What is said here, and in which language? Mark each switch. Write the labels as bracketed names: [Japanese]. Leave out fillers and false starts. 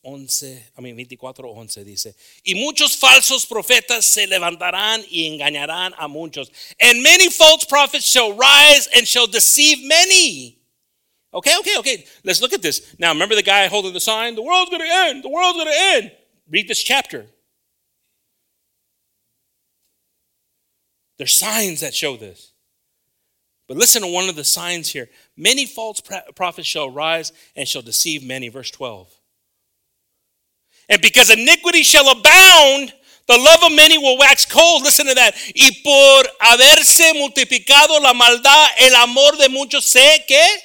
[Spanish] Mateo 24:11 dice, y muchos falsos profetas se levantarán y engañarán a muchos. [English] And many false prophets shall rise and shall deceive many. Okay. Let's look at this. Now, remember the guy holding the sign? The world's going to end. The world's going to end. Read this chapter. There's signs that show this. But listen to one of the signs here. Many false prophets shall rise and shall deceive many. Verse 12. And because iniquity shall abound, the love of many will wax cold. Listen to that. [Spanish] Y por haberse multiplicado la maldad, el amor de muchos se que.